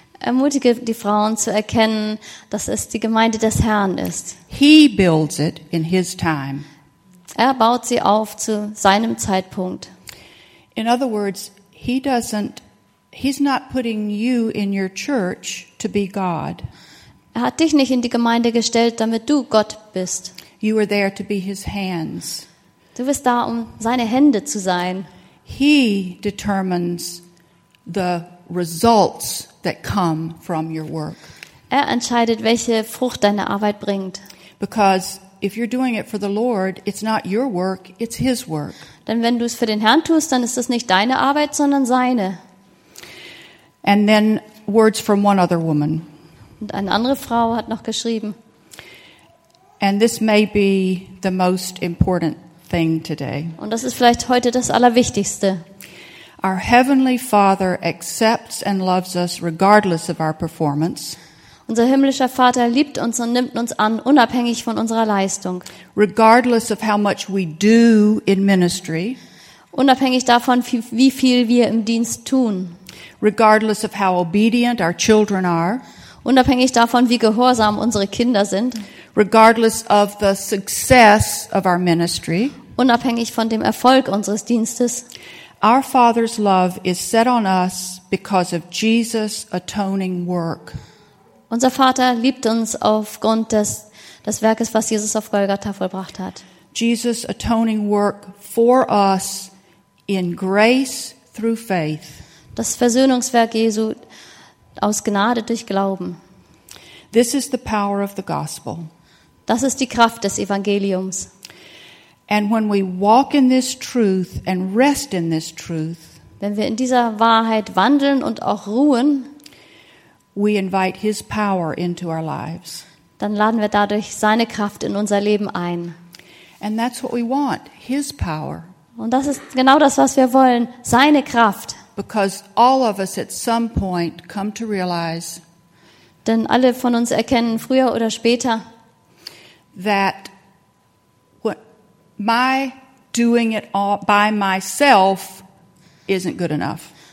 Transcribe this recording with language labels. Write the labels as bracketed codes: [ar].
[de] Ermutige die Frauen zu erkennen, dass es die Gemeinde des Herrn ist. [en] He builds it in his time. [de] Er baut sie auf zu seinem Zeitpunkt. [en] In other words, he's not putting you in your church to be God. [de] Er hat dich nicht in die Gemeinde gestellt, damit du Gott bist. [en] You are there to be his hands. [de] Du bist da, um seine Hände zu sein. [en] He determines the results that come from your work. [de] Er entscheidet, welche Frucht deine Arbeit bringt. [en] Because if you're doing it for the Lord, it's not your work, it's his work. [de] Denn wenn du es für den Herrn tust, dann ist es nicht deine Arbeit, sondern seine. [en] And then words from one other woman. [de] Und eine andere Frau hat noch geschrieben. [en] And this may be the most important thing today. [de] Und das ist vielleicht heute das Allerwichtigste. [en] Our heavenly Father accepts and loves us regardless of our performance. [de] Unser himmlischer Vater liebt uns und nimmt uns an, unabhängig von unserer Leistung. [en] Regardless of how much we do in ministry. [de] Unabhängig davon, wie viel wir im Dienst tun. [en] Regardless of how obedient our children are. [de] Unabhängig davon, wie gehorsam unsere Kinder sind. [en] Regardless of the success of our ministry. [de] Unabhängig von dem Erfolg unseres Dienstes. [en] Our Father's love is set on us because of Jesus' atoning work. [de] Unser Vater liebt uns aufgrund des das Werk ist, was Jesus auf Golgatha vollbracht hat. [en] Jesus' atoning work for us in grace through faith. [de] Das Versöhnungswerk Jesu aus Gnade durch Glauben. [en] This is the power of the gospel. [de] Das ist die Kraft des Evangeliums. [en] And when we walk in this truth and rest in this truth, [de] wenn wir in dieser Wahrheit wandeln und auch ruhen, [en] we invite his power into our lives. [de] Dann laden wir dadurch seine Kraft in unser Leben ein. [en] And that's what we want, his power. [de] Und das ist genau das, was wir wollen, seine Kraft. [en] Because all of us at some point come to realize, [de] denn alle von uns erkennen früher oder später, [en] that what my doing it all by myself isn't good enough.